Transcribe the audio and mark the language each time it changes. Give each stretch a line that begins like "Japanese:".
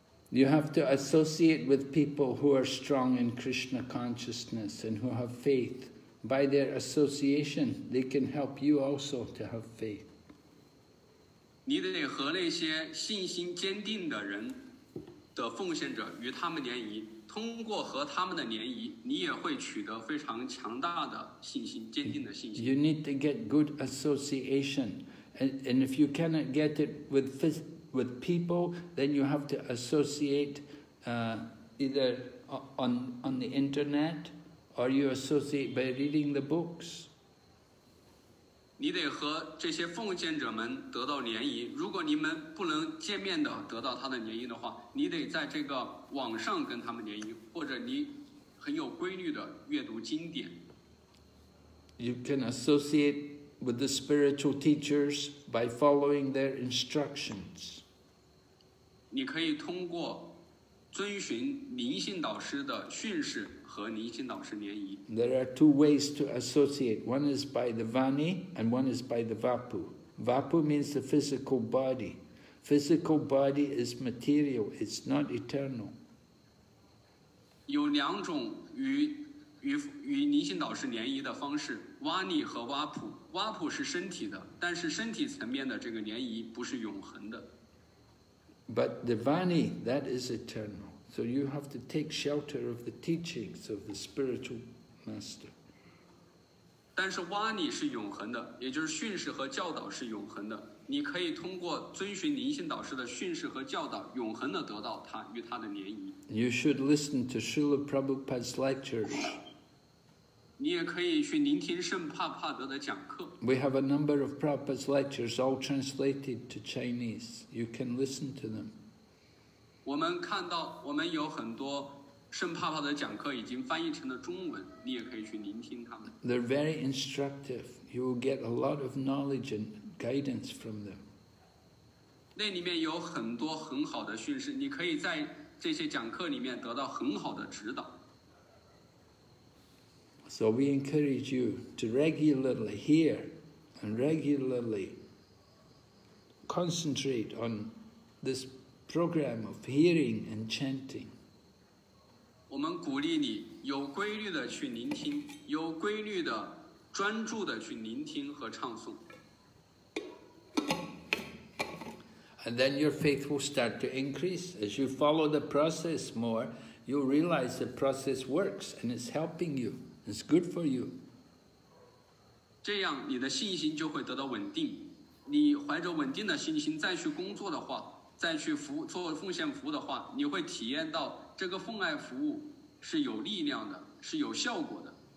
English: You have to associate with people who are strong in Krishna consciousness and who have faith. By their association, they can help you also to have faith.
Chinese: 你得和那些信心坚定的人的奉献者与他们联谊，通过和他们的联谊，你也会取得非常强大的信心，坚定的信心。
English: You need to get good association. And if you cannot get it with people, then you have to associate either on the internet,Or you associate by reading the books.
Chinese: 你得和这些奉献者们得到联谊。如果你们不能见面的得到他的联谊的话，你得在这个网上跟他们联谊，或者你很有规律的阅读经典。
English: You can associate with the spiritual teachers by following their instructions.
Chinese: 你可以通过遵循灵性导师的训示和灵性导师联谊。
English: There are two ways to associate. One is by the vani, and one is by the vapu. Vapu means the physical body. Physical body is material. It's not eternal.
Chinese: 有两种与灵性导师联谊的方式 ，vani 和 vapu。 vapu 是身体的，但是身体层面的这个联谊不是永恒的。
English: But the vani, that is eternal. So you have to take shelter of the teachings of the spiritual master.
Chinese: 但是 vani 是永恒的，也就是训示和教导是永恒的。你可以通过遵循灵性导师的训示和教导，永恒的得到他与他的联谊。
English: You should listen to Srila Prabhupada's lectures.
Chinese: 你也可以去聆听圣帕帕德的讲课。
English: We have a number of Prabhupada's lectures all translated to Chinese. You can listen to them.
Chinese: 我们看到我们有很多圣帕帕德讲课已经翻译成了中文，你也可以去聆听他们。
English: They're very instructive. You will get a lot of knowledge and guidance from them.
Chinese: 那里面有很多很好的训示，你可以在这些讲课里面得到很好的指导。
English: So we encourage you to regularly hear and regularly concentrate on this program of hearing and chanting.
Chinese: 我们鼓励你有规律的去聆听，有规律的专注的去聆听和唱诵。
English: And then your faith will start to increase as you follow the process more. You'll realize the process works and it's helping you. It's good for you.
Chinese: 这样你的信心就会得到稳定。你怀着稳定的信心再去工作的话，再去做奉献服务的话，你会体验到这个奉爱服务是有力量的，是有效果的。